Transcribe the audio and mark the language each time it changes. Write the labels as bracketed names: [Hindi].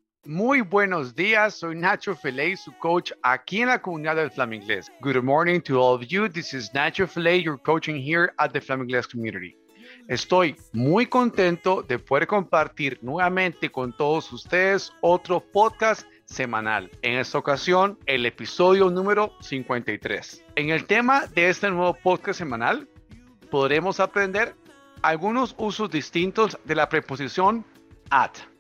[Spanish] Muy buenos días, soy Nacho Filet, su coach aquí en la comunidad del Flamingles. [English] Good morning to all of you, this is Nacho Filet, your coaching here at the Flamingles community. [Spanish] Estoy muy contento de poder compartir nuevamente con todos ustedes otro podcast semanal. En esta ocasión, el episodio número 53. En el tema de este nuevo podcast semanal, podremos aprender algunos usos distintos de la preposición at.